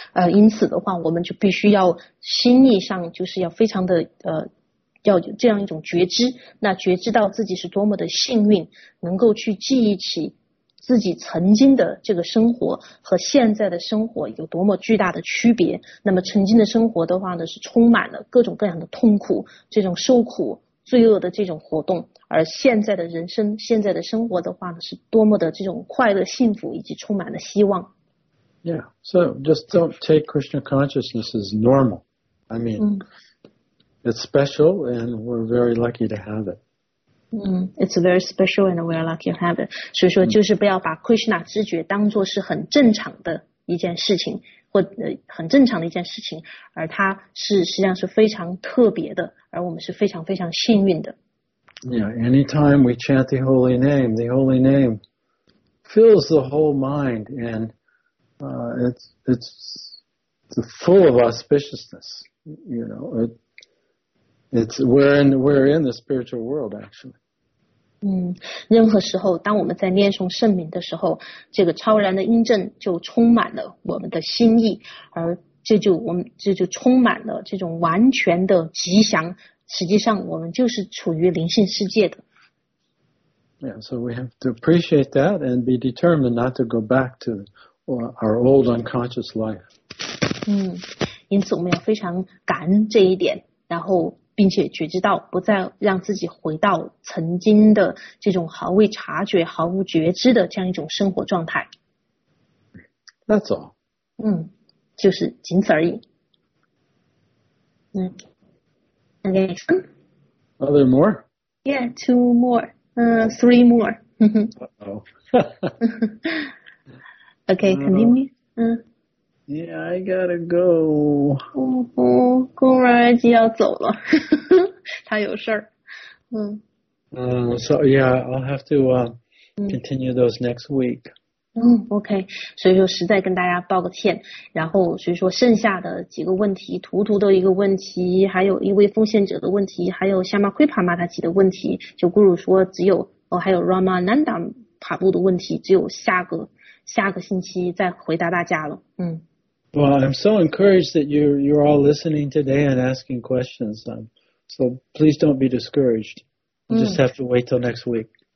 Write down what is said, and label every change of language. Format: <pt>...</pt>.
<zh>因此的话，我们就必须要心意上就是要非常的要有这样一种觉知，那觉知到自己是多么的幸运，能够去记忆起自己曾经的这个生活和现在的生活有多么巨大的区别。那么曾经的生活的话呢，是充满了各种各样的痛苦，这种受苦罪恶的这种活动，而现在的人生，现在的生活的话呢，是多么的这种快乐、幸福，以及充满了希望。</zh> <en>Yeah, so just don't take Krishna consciousness as normal. I mean, it's special, and we're very lucky to have it. It's very special, and we're lucky to have it.</en> <zh>所以说，就是不要把 Krishna 知觉当做是很正常的一件事情，或很正常的一件事情，而它是实际上是非常特别的，而我们是非常非常幸运的。</zh> <en>Yeah, anytime we chant the holy name fills the whole mind and it's full of auspiciousness. You know, it's we're in the spiritual world actually.</en> <zh>任何时候当我们在念诵圣名的时候，这个超然的印证就充满了我们的心意，而这就充满了这种完全的吉祥，实际上我们就是处于灵性世界的。</zh> <en>Yeah, so we have to appreciate that and be determined not to go back to our old unconscious life.</en> <zh>因此我们要非常感恩这一点，然后并且觉知到不再让自己回到曾经的这种毫未察觉、毫无觉知的这样一种生活状态。</zh> <en>That's all.</en> <zh>就是仅此而已。Okay.</zh> <en>Are there more? Yeah, two more. Three more. Uh-oh. Okay, continue. Yeah, I gotta go.</en> <zh>公然已经要走了，他有事儿。</zh> <en>So yeah, I'll have to continue those next week.</en> <zh>OK, 所以说实在跟大家抱个歉，然后所以说剩下的几个问题，图图的一个问题，还有一位奉献者的问题，还有夏玛奎帕玛塔吉的问题，就咕噜说只有还有 Rama Nanda 帕布的问题，只有下个星期再回答大家了。</zh> <en>Well, I'm so encouraged that you're all listening today and asking questions. So please don't be discouraged. You just have to wait till next week.</en>